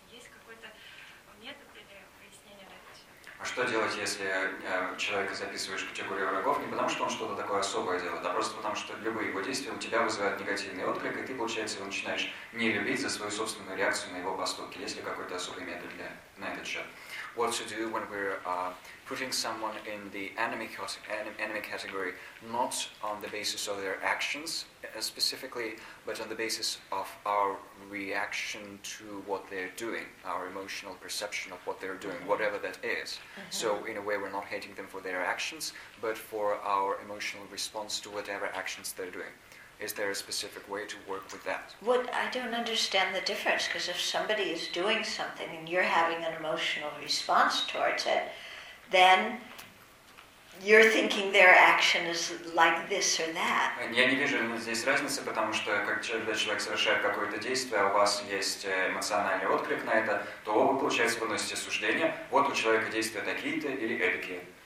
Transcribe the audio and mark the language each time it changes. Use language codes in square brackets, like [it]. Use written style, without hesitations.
[ru] Есть какой-то метод или... А что делать, если человека записываешь в категорию врагов, не потому что он что-то такое особое делает, а просто потому что любые его действия у тебя вызывают негативный отклик, и ты, получается, его начинаешь не любить за свою собственную реакцию на его поступки. Есть ли какой-то особый метод для, на этот счет? [en] What to do when we're putting someone in the enemy category, not on the basis of their actions specifically, but on the basis of our reaction to what they're doing, our emotional perception of what they're doing, whatever that is. Mm-hmm. So in a way, we're not hating them for their actions, but for our emotional response to whatever actions they're doing. Is there a specific way to work with that? What, I don't understand the difference, because if somebody is doing something and you're having an emotional response towards it, then you're thinking their action is like this or that. [ru] Я не вижу здесь разницы, потому что когда человек совершает какое-то действие, а у вас есть эмоциональный отклик на это, то вы, получается, выносите суждение, вот у человека действия такие-то или эдакие.